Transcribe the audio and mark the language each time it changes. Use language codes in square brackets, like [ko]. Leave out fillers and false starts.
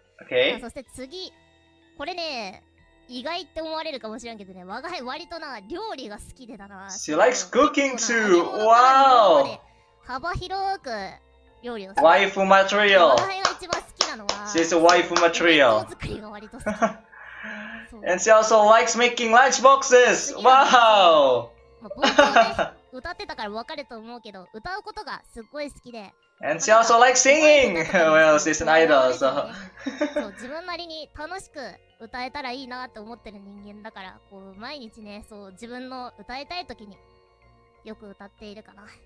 [en] Okay. [ja] そして次、これね、意外って思われるかもしれんけどね、我が輩割とな料理が好きでだな。 [en] She likes cooking too. Wow. [ja] 幅広く。料理をする。ワイフマテリアル。我が輩が一番好きなのは、 [en] She's a wife material. [ja] 弁当作りが割と好き。 [en] And she also likes making lunch boxes. Wow! [ja] 冒頭で歌ってたから分かると思うけど、歌うことがすっごい好きで。 [en] And she also likes singing. Well, she's an idol, so. [ja] 自分なりに楽しく歌えたらいいなって思ってる人間だから、こう毎日ね、そう自分の歌いたい時によく歌っているかな。